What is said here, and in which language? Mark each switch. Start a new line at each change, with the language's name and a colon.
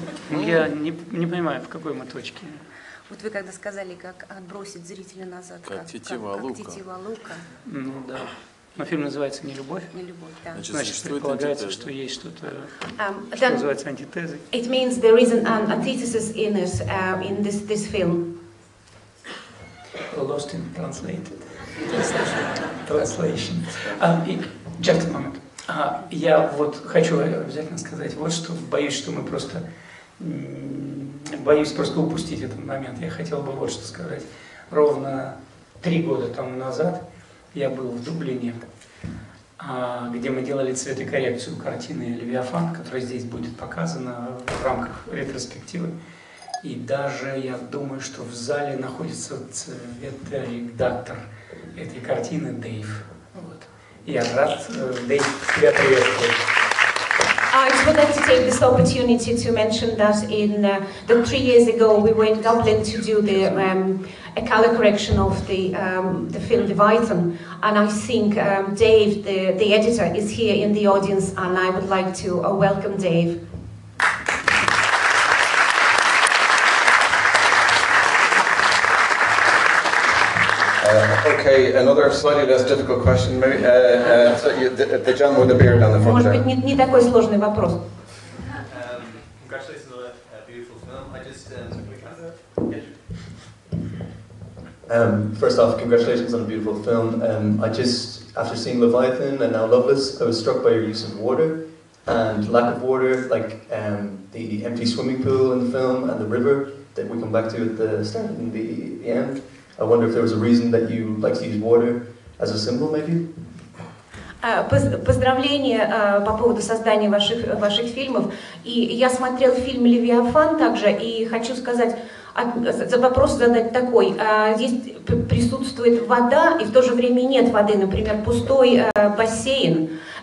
Russian: Я не понимаю, в какой мы точке. Вот вы когда сказали, как отбросить зрителя назад, как тетива лука. Ну да. Но фильм называется «Не любовь». «Не любовь», да. Значит предполагается, антитеза. Что есть что-то, что называется антитезой.
English: It means there is an antithesis in it, in this film. Lost in translated. Translation. Just a moment.
Russian: Я вот хочу обязательно сказать, вот что, боюсь просто упустить этот момент. Я хотел бы вот что сказать. Ровно 3 года тому назад я был в Дублине, где мы делали цветокоррекцию картины «Левиафан», которая здесь будет показана в рамках ретроспективы. И даже, я думаю, что в зале находится цветоредактор этой картины, Дэйв. Вот. Я рад, Дэйв, тебя приветствую.
English: I just wanted to take this opportunity to mention that in the 3 years ago we were in Dublin to do the a color correction of the film Leviathan, and I think Dave, the editor, is here in the audience, and I would like to welcome Dave. Okay, another slightly less difficult question, maybe. The gentleman with the beard down the front there.
Russian: Может быть, не такой сложный вопрос.
English: Congratulations on a beautiful film. I just First off, congratulations on a beautiful film. I just, after seeing Leviathan and now Loveless, I was struck by your use of water and lack of water, like the empty swimming pool in the film and the river that we come back to at the start and the end. I wonder if there was a reason that you like to use water as a symbol, maybe?
Russian: Поздравления по поводу создания ваших фильмов. И я смотрел фильм «Левиафан» также, и хочу сказать, Вопрос задать такой. Здесь присутствует вода, и в то же время нет воды, например, пустой бассейн.